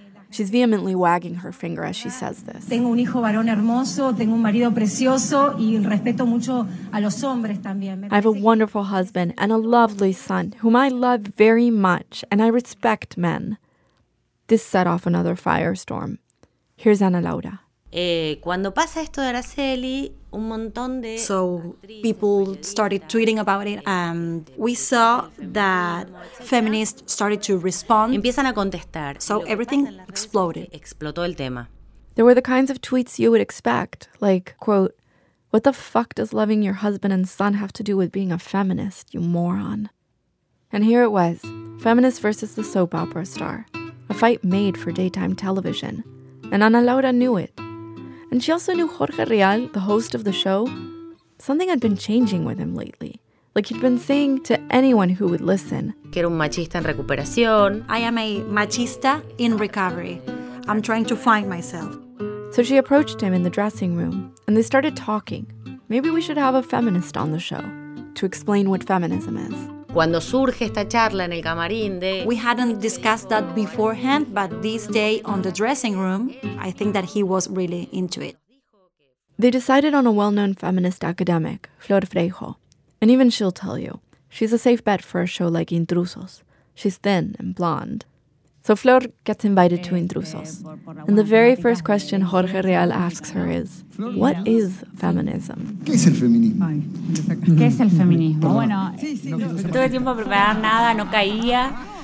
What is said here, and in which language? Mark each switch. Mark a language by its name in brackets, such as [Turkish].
[English] She's vehemently wagging her finger as she says this. I have a wonderful husband and a lovely son whom I love very much, and I respect men. This set off another firestorm. Here's Ana Laura. [Spanish] Cuando pasa esto de Araceli, un montón de [English] so people started tweeting about it, and we saw that feminists started to respond. [Spanish] Empiezan a contestar. [English] So everything exploded. [Spanish] Explotó el tema. [English] There were the kinds of tweets you would expect, like, quote, "What the fuck does loving your husband and son have to do with being a feminist, you moron?" And here it was, feminist versus the soap opera star, a fight made for daytime television. And Ana Laura knew it. And she also knew Jorge Rial, the host of the show. Something had been changing with him lately. Like he'd been saying to anyone who would listen. [Spanish] Que era un machista en recuperación. [English] I am a machista in recovery. I'm trying to find myself. So she approached him in the dressing room, and they started talking. Maybe we should have a feminist on the show to explain what feminism is. [Spanish] Cuando surge esta charla en el camarín de... [English] We hadn't discussed that beforehand, but this day on the dressing room, I think that he was really into it. They decided on a well-known feminist academic, Flor Freijo. And even she'll tell you, she's a safe bet for a show like Intrusos. She's thin and blonde. So Flor gets invited to Intrusos. And the very first question Jorge Rial asks her is, what is feminism? [Spanish] ¿Qué es el feminismo? ¿Qué es el feminismo? Bueno, no tuve tiempo a preparar nada, no caía.